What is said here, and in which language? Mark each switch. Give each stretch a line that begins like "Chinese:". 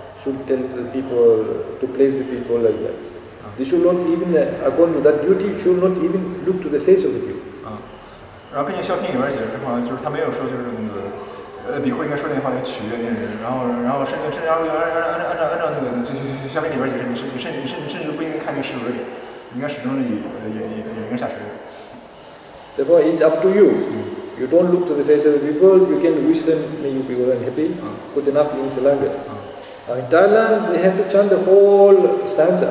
English: should tell the people to place the people like that. They should not even, according to that duty, should not even look to the face of the people.
Chinese: 然后根据校训里面写的这话，就是他没有说就是那个，比丘应该说那话来取悦那人。然后甚至按照那个，就校训里面写的，你甚至不应该看那个师傅的脸，应该始终是眼睛下垂。
English: Therefore, it's up to you. You don't look to the face of the people. You can wish them may you be well and happy. Good enough in Sri Lanka. In Thailand, they have to chant the whole stanza.